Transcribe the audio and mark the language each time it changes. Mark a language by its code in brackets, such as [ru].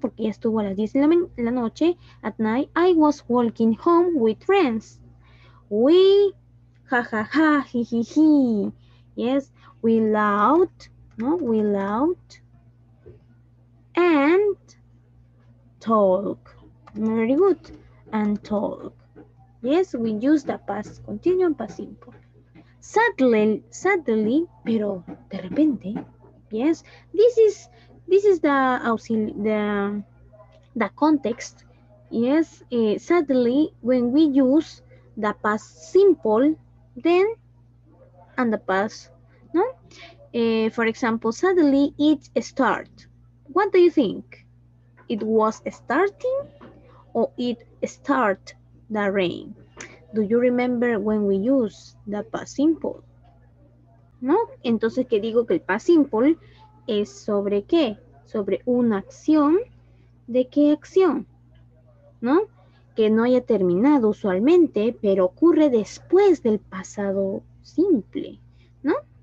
[es] Porque ya estuvo a las 10 de la noche. [en] At night, I was walking home with friends. We, ja, ja, ja, hi, hi, hi. Yes, we laughed, ¿no? We laughed and talk. Very good. And talk. Yes, we use the past continuo and past simple. Sadly, [es] pero de repente, [en] yes, this is the context, yes. Sadly, when we use the past simple, then and the past, no. For example, sadly it start. What do you think? It was starting, or it start the rain? Do you remember when we use the past simple? No. [es] Entonces, ¿qué digo que el past simple es sobre qué? Sobre una acción, ¿de qué acción? ¿No? Que no haya terminado usualmente, pero ocurre después del pasado simple, ¿no?